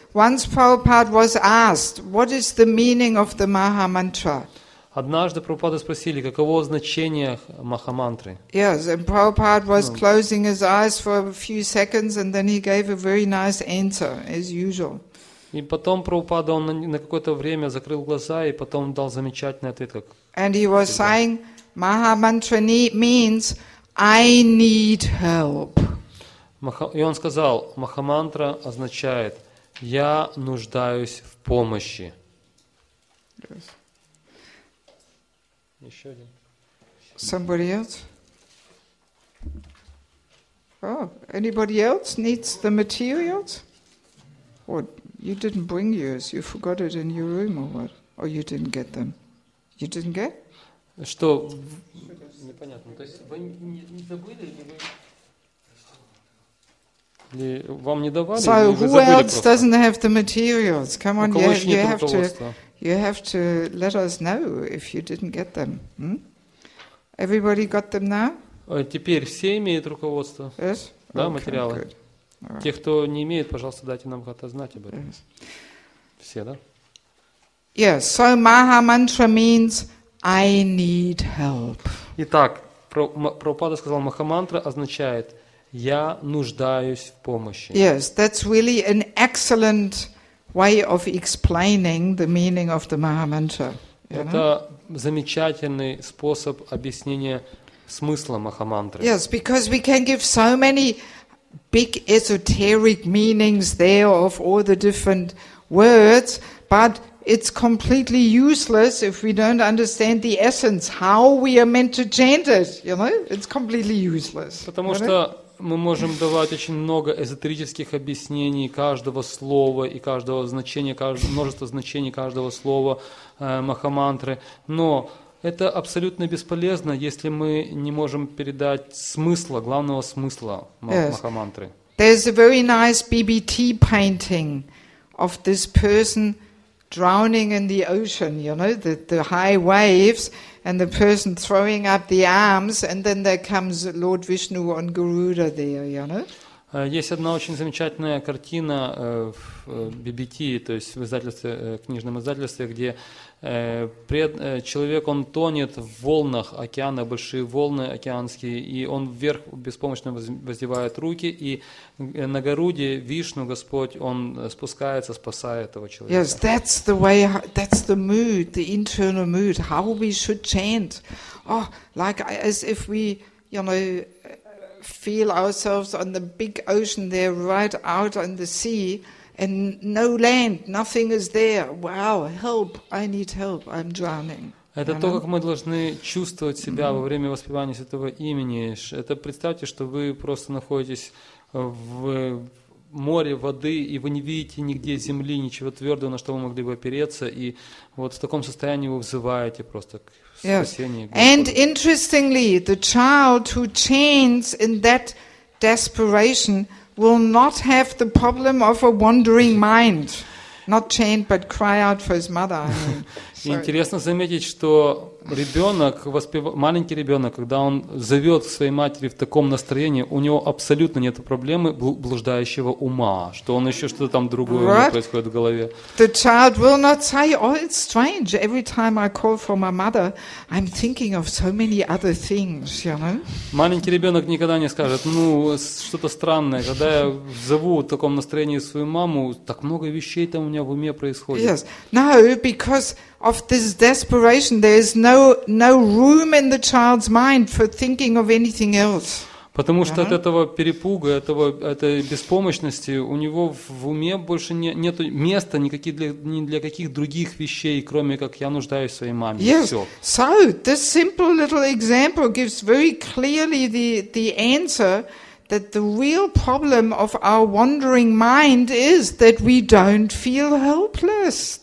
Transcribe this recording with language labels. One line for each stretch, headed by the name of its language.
English: Once Prabhupada was asked, what is the meaning of the Maha Mantra?
Russian: Однажды Прабхупада спросили, каково значение Маха-мантры.
English: Yes, and Prabhupada was closing his eyes for a few seconds, and then he gave a very nice answer, as usual.
Russian: И потом Прабхупада, он на какое-то время закрыл глаза, и потом дал замечательный ответ. Как...
English: And he was saying, Маха-мантра means, I need help.
Russian: И он сказал, Маха-мантра означает, я нуждаюсь в помощи.
English: Yes.
Russian: Еще один.
English: Somebody else? Oh, anybody else needs the materials? What? You didn't bring yours. You forgot it in your room or what? Or you didn't get them? You didn't get?
Russian: Что? Непонятно. То есть вы не забыли или вы... Или вам не давали?
English: So
Russian: или
English: who else doesn't have the materials? Come on, you have to... You have to let us know if you didn't get them. Everybody got them now?
Russian: Теперь все имеют руководство.
English: Yes? Да, okay, материалы. Good. Right.
Russian: Те, кто не имеет, пожалуйста, дайте нам как-то знать об этом. Yes. Все, да?
English: Yes, so Maha Mantra means I need help.
Russian: Итак, Прабхупада сказал, Маха Мантра означает Я нуждаюсь в помощи.
English: Yes, that's really an excellent way of explaining the meaning of the Mahamantra.
Russian: Это замечательный способ объяснения смысла Махамантры.
English: Yes, because we can give so many big esoteric meanings there of all the different words, but it's completely useless if we don't understand the essence, how we are meant to chant it. You know, it's completely useless.
Russian: Потому что мы можем давать очень много эзотерических объяснений каждого слова и каждого значения, множество значений каждого слова Махамантры, но это абсолютно бесполезно, если мы не можем передать смысла, главного смысла Махамантры.
English: There's a very nice BBT painting of this person drowning in the ocean, you know, the high waves, and the person throwing up the arms, and then there comes Lord Vishnu on Garuda there, you know?
Russian: Есть одна очень замечательная картина в BBT, то есть в издательстве, книжном издательстве, где человек, он тонет в волнах океана, большие волны океанские, и он вверх беспомощно воздевает руки, и на Гаруде Вишну, Господь, он спускается, спасая этого человека.
English: Yes, that's the way, that's the mood, the internal mood, how we should chant. Oh, like as if we, you know, feel ourselves on the big ocean there, right out on the sea, and no land, nothing is there. Wow, help, I need help, I'm drowning.
Russian: Это то, как мы должны чувствовать себя во время воспевания святого имени. Это представьте, что вы просто находитесь в море воды, и вы не видите нигде земли, ничего твердого, на что вы могли бы опереться, и вот в таком состоянии вы взываете просто к спасению.
English: And interestingly, the child who chants in that desperation will not have the problem of a wandering mind, not chant, but cry out for his mother.
Russian: Интересно заметить, что ребенок, маленький ребенок, когда он зовет своей матери в таком настроении, у него абсолютно нет проблемы блуждающего ума, что он еще что-то там другое происходит в голове.
English: The child will not say, "Oh, it's strange. Every time I call for my mother, I'm thinking of so many other things." You know?
Russian: Маленький ребенок никогда не скажет, ну что-то странное, когда я зову в таком настроении свою маму, так много вещей там у меня в уме происходит.
English: Yes, no, because of this desperation, there is no room in the child's mind for thinking of anything else.
Russian: Потому что от этого перепуга, этой беспомощности у него в уме больше нет места ни для каких других вещей, кроме как я нуждаюсь в своей маме.
English: Yes.
Russian: Все.
English: So this simple little example gives very clearly the answer that the real problem of our wandering mind is that we don't feel helpless.